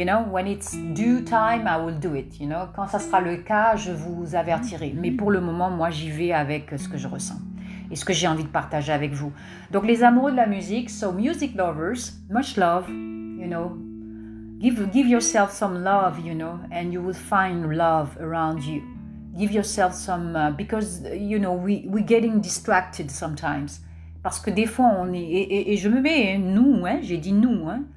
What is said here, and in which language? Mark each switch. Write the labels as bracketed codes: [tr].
[en] When it's due time, I will do it, you know. [fr] Quand ça sera le cas, je vous avertirai. Mais pour le moment, moi, j'y vais avec ce que je ressens et ce que j'ai envie de partager avec vous. Donc, les amoureux de la musique, [en] so music lovers, much love, you know. Give yourself some love, you know, and you will find love around you. Give yourself some, because, you know, we're getting distracted sometimes. [fr] Parce que des fois, on est, et je me mets, j'ai dit nous.